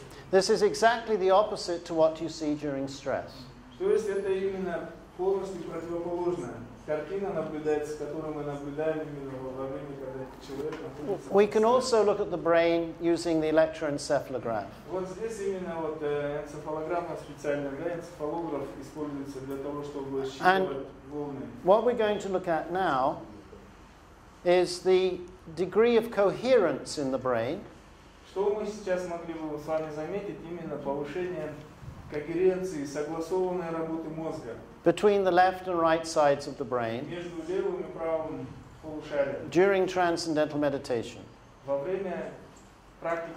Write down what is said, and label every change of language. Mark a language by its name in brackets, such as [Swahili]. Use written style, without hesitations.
[English] This is exactly the opposite to what you see during stress. [Russian] То есть это именно полностью противоположное. Картина наблюдается, которую мы наблюдаем именно во время, когда человек находится... [English] We can also look at the brain using the electroencephalograph. [Russian] Вот здесь именно вот энцефалограмма специальная, да, энцефалограф используется для того, чтобы считывать волны. [English] What we're going to look at now is the degree of coherence in the brain. [Russian] Что мы сейчас могли бы с вами заметить, именно повышение когеренции, согласованной работы мозга. [English] Between the left and right sides of the brain. [Russian] Между левым и правым полушариями. [English] During transcendental meditation. [Russian] Во время практики.